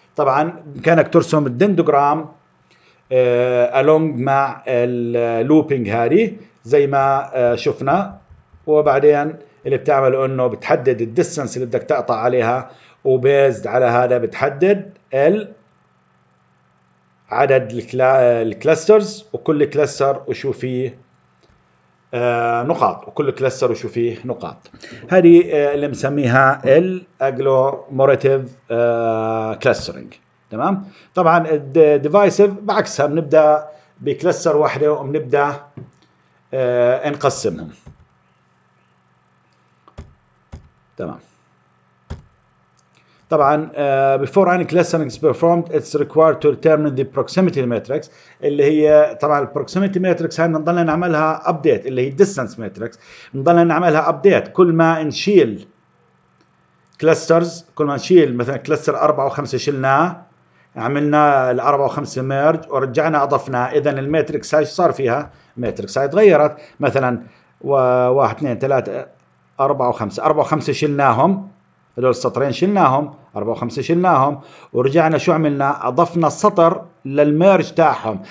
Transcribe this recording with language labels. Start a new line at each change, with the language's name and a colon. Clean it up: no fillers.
Arabic: طبعا كانك ترسم الدندوغرام along مع اللوبينج هاري زي ما شفنا، وبعدين اللي بتعمله أنه بتحدد الديستنس اللي بدك تقطع عليها، وبيزد على هذا بتحدد عدد الكلاسترز وكل كلاستر وشو فيه نقاط، وكل كلاستر وشو فيه نقاط. هذه اللي مسميها الاجلوموريتيف كلاسترينج. تمام، طبعا الديفايسيف بعكسها، بنبدأ بكلاستر واحدة وبنبدأ نقسمهم. تمام، طبعا
English: before any clustering is performed it's required to determine the proximity matrix،
Arabic: اللي هي طبعا
English: proximity matrix
Arabic: هاي نضل نعملها
English: update،
Arabic: اللي هي
English: distance matrix
Arabic: نضل نعملها
English: update.
Arabic: كل ما نشيل clusters، كل ما نشيل مثلا cluster 4 و5 شلناه، عملنا الأربعة وخمسة ميرج ورجعنا أضفنا، إذن الماتريكس هاي صار فيها ماتريكس هاي تغيرت، مثلا واحد اثنين ثلاثة أربعة وخمسة، أربعة وخمسة شلناهم، هذول السطرين شلناهم، أربعة وخمسة شلناهم ورجعنا شو عملنا؟ أضفنا سطر للميرج تاعهم.